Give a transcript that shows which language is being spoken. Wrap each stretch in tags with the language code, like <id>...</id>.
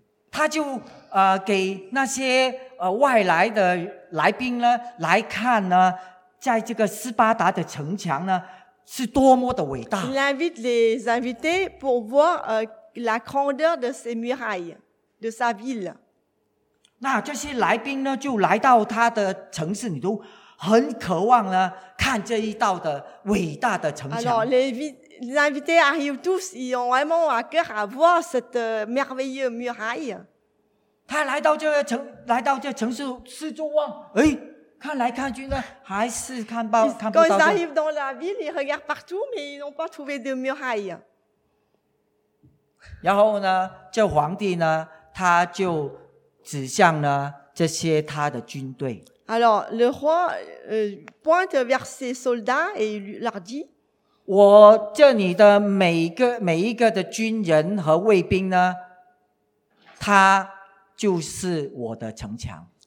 <zh>他就给那些外来的来宾呢来看呢，在这个斯巴达的城墙呢是多么的伟大。</zh> <fr>Il invite les invités pour voir la grandeur de ses murailles, de sa ville.</fr> <zh>那这些来宾呢就来到他的城市里头，很渴望呢看这一道的伟大的城墙。</zh> <fr>Alors les invités arrivent tous, ils ont vraiment à cœur à voir cette merveilleuse muraille.</fr> <zh>他来到这个城，来到这城市四周望，哎，看来看去呢，还是看不到。</zh> <fr>Quand ils arrivent dans la ville, ils regardent partout, mais ils n'ont pas trouvé de muraille.</fr> <zh>然后呢，这皇帝呢，他就指向呢这些他的军队。</zh> <fr>Alors le roi pointe vers ses soldats et leur dit:</fr> <zh>我这里的每一个的军人和卫兵呢，他就是我的城墙。</zh>